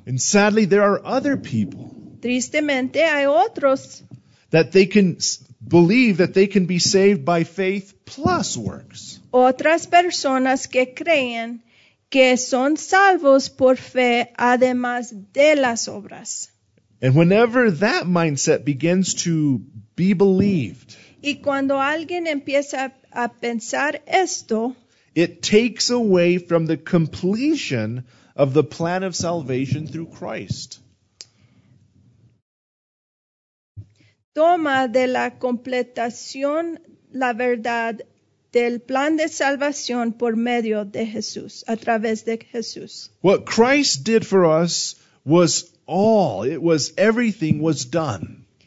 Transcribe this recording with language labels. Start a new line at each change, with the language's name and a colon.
English: And sadly, there are other people.
Spanish: Tristemente, hay otros.
English: That they can believe that they can be saved by faith plus works.
Spanish: Otras personas que creen que son salvos por fe además de las obras.
English: And whenever that mindset begins to be believed,
Spanish: y cuando alguien empieza a pensar esto,
English: it takes away from the completion of the plan of salvation through Christ.
Spanish: Toma de la completación la verdad del plan de salvación por medio de Jesús, a través de Jesús.
English: What Christ did for us was all, it was everything was done.